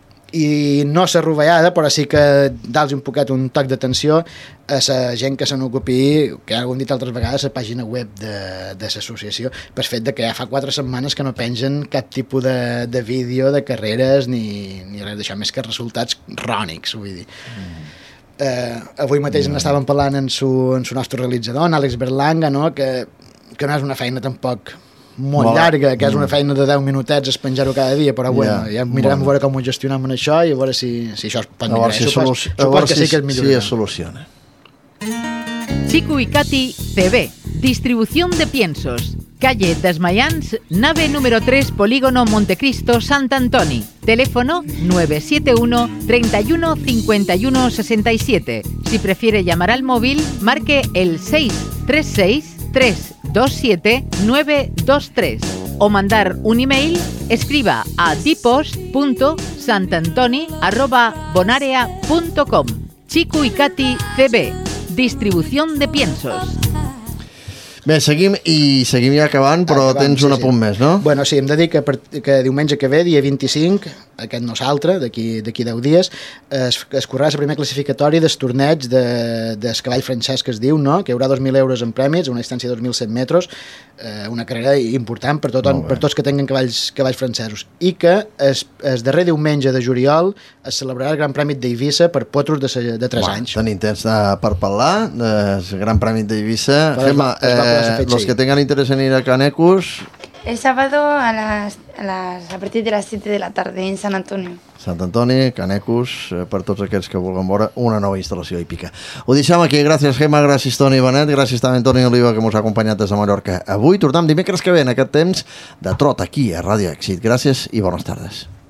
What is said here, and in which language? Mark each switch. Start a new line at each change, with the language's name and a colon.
Catalan: I no s'ha rovellada, però sí que dals un poquet un toc d'atenció a la gent que se n'ocupi, que ho hem dit altres vegades, a la pàgina web de l'associació, pel fet de que ja fa 4 setmanes que no pengen cap tipus de vídeo, de carreres, ni res d'això, més que resultats rònics, vull dir. Avui mateix n'estàvem parlant en su nostre realitzador, en Àlex Berlanga, no? que no és una feina tampoc... molt llarga, que és una feina de 10 minutets espenjar-ho cada dia, però bueno, ja mirarem a veure com ho gestionem en això i a veure si això es pot millorar. Suposo que sí que es soluciona. Chico i Cati, PB, distribució de piensos.
Spanish: Calle Desmaians, nave número 3, polígono Montecristo, Sant Antoni. Teléfono 971-31-51-67. Si prefiere llamar al móvil, marque el 636-327-923. O mandar un email, escriba a dipost.santantoni@bonarea.com. Chico y Katy CB, distribución de piensos.
Catalan: Bé, seguim i seguim ja acabant, però acabant, tens un apunt més, no? Bueno, sí, hem de dir que, diumenge que ve, dia 25, aquest no és altre, d'aquí 10 dies, es correrà la primera classificatòria del torneig del cavall francès, que es diu, no? Que hi haurà 2.000 euros en premis, una distància de 2.100 metres, una carrera important per, per tots que tinguin cavalls francesos. I que el darrer diumenge de juliol es celebrarà el Gran Premi d'Eivissa per potros de 3 anys. Tenim temps per parlar del Gran Premi d'Eivissa.
Spanish: Gemma, los que tengan interés en ir a Canecus, el sábado a partir de las 7 de la tarde en Sant Antoni.
Catalan: Sant Antoni, Canecus, per tots aquells que vulguen veure una nova instal·lació hípica. Ho deixem aquí. Gràcies, Gemma, gràcies, Toni Benet, gràcies també a Toni Oliva, que ens ha acompanyat des de Mallorca. Avui tornem dimecres que ve en aquest temps de trot aquí a Ràdio Èxit. Gràcies i bones tardes.